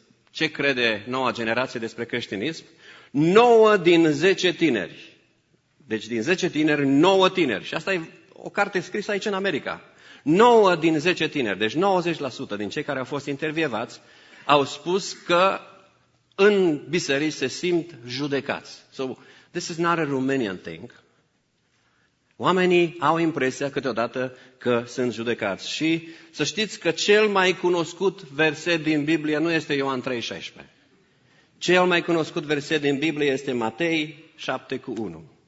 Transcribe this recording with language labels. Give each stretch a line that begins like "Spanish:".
Romanian: Ce crede noua generație despre creștinism? 9 din 10 tineri. Deci din 10 tineri, 9 tineri. Și asta e o carte scrisă aici în America. 9 din 10 tineri, deci 90% din cei care au fost intervievați, au spus că în biserici se simt judecați.
English: So, this is not a Romanian thing.
Romanian: Oamenii au impresia câteodată că sunt judecați. Și să știți că cel mai cunoscut verset din Biblie nu este Ioan 3:16. Cel mai cunoscut verset din Biblie este Matei 7:1.